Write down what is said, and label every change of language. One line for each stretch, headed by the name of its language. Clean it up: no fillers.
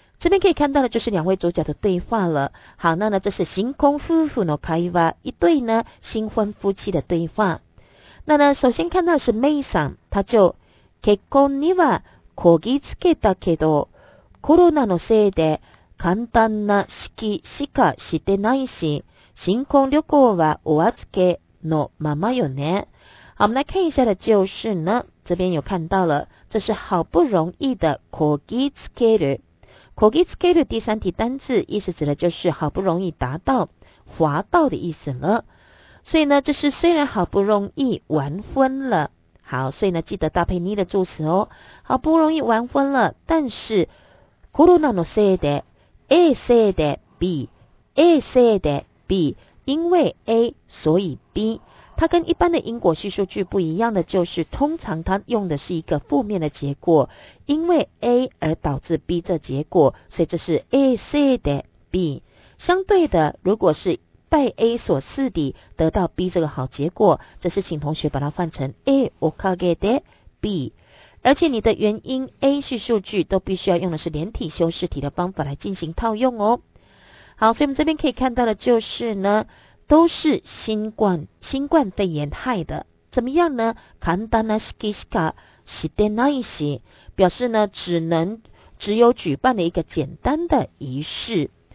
Chinese: 这边可以看到的就是两位主角的对话了。好，那呢，这是
Japanese: 新婚夫妇の会話，
Chinese: 一对呢新婚夫妻的对话。那呢，首先看到的是メイさん，他就
Japanese: 結婚にはこぎつけたけど、コロナのせいで簡単な式しかしてないし、新婚旅行はお預けのままよね。
Chinese: 好，我们来看一下的就是呢，这边有看到了，这是好不容易的
Japanese: こぎつける。
Chinese: こぎつける第三题单字，意思指的就是好不容易达到、滑到的意思了。所以呢，这是虽然好不容易完婚了。好，所以呢，记得搭配你的助词哦。好不容易完婚了，但是
Japanese: コロナのせいで、 A せいで、B、A せいで、B、
Chinese: 因为 A 所以 B。它跟一般的因果叙述句不一样的就是，通常它用的是一个负面的结果，因为 A 而导致 B 这结果，所以这是
Japanese: A せいで B。
Chinese: 相对的，如果是拜 A 所赐的得到 B 这个好结果，这是请同学把它换成
Japanese: A おかげで B。
Chinese: 而且你的原因 A 叙述句都必须要用的是连体修饰体的方法来进行套用哦。好，所以我们这边可以看到的就是呢，都是新冠肺炎害的，怎么样呢？
Japanese: 簡単な式しかしてないし，
Chinese: 表示呢只有举办了一个简单的仪式。